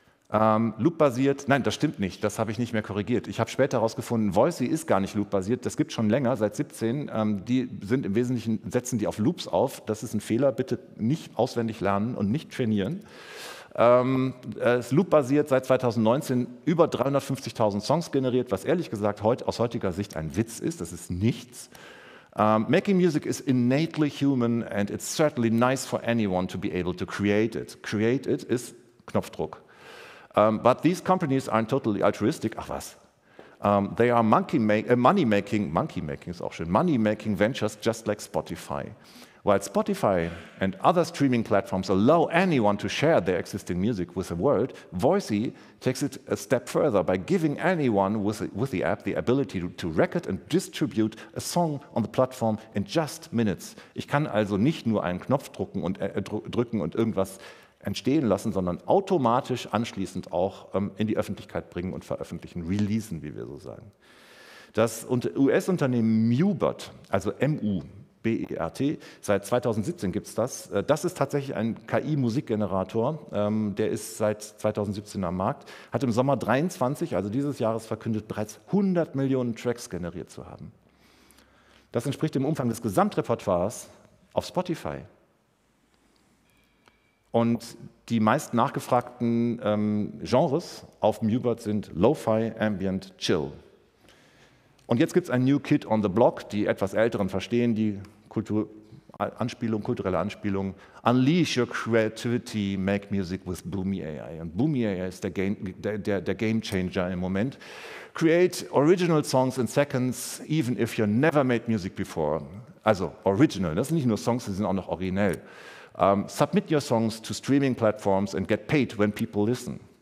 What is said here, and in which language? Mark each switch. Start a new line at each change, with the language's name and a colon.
German: Loop-basiert, nein, das stimmt nicht, das habe ich nicht mehr korrigiert. Ich habe später herausgefunden, Voisey ist gar nicht loop-basiert, das gibt es schon länger, seit 17. Die sind im Wesentlichen, setzen die auf Loops auf, das ist ein Fehler, bitte nicht auswendig lernen und nicht trainieren. Es ist loop-basiert, seit 2019 über 350.000 Songs generiert, was ehrlich gesagt aus heutiger Sicht ein Witz ist, das ist nichts.
English: Making music is innately human and it's certainly nice for anyone to be able to create it. Create it
German: ist Knopfdruck.
English: But these companies aren't totally altruistic.
German: Ach was.
English: They are money-making ventures just like Spotify. While Spotify and other streaming platforms allow anyone to share their existing music with the world, Voisey takes it a step further by giving anyone with the app the ability to record and distribute a song on the platform in just minutes.
German: Ich kann also nicht nur einen Knopf drücken und irgendwas entstehen lassen, sondern automatisch anschließend auch in die Öffentlichkeit bringen und veröffentlichen, releasen, wie wir so sagen. Das US-Unternehmen Mubert, also M-U-B-E-R-T, seit 2017 gibt es das. Das ist tatsächlich ein KI-Musikgenerator, der ist seit 2017 am Markt, hat im Sommer 23, also dieses Jahres, verkündet, bereits 100 Millionen Tracks generiert zu haben. Das entspricht dem Umfang des Gesamtrepertoires auf Spotify. Und die meist nachgefragten Genres auf Mubert sind Lo-Fi, Ambient, Chill. Und jetzt gibt es ein
English: New Kid on the Block,
German: die etwas Älteren verstehen, die kulturelle Anspielung.
English: Unleash your creativity, make music with Boomy AI.
German: Und Boomy AI ist der Game Changer im Moment.
English: Create original songs in seconds, even if you never made music before.
German: Also original, das sind nicht nur Songs, die sind auch noch originell.
English: Submit your songs to streaming platforms and get paid when people listen.